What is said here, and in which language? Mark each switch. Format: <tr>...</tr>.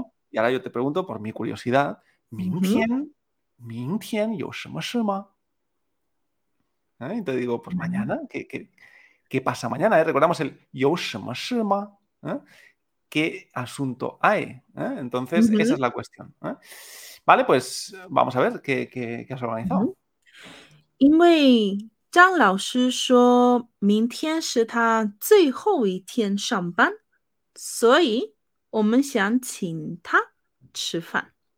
<es>Y ahora yo te pregunto, por mi curiosidad,</es> <zh>¿明天有什么事吗?</zh> <es>Y te digo, pues mañana, ¿qué pasa mañana? Recordamos el</es> <zh>有什么事吗?</zh> <es>¿Qué asunto hay? Entonces, esa es la cuestión. Vale, pues vamos a ver qué has organizado. Porque Zhang Lao Shi dijo, mañana es el último día de trabajar, así que queremos invitarle a comer.</es>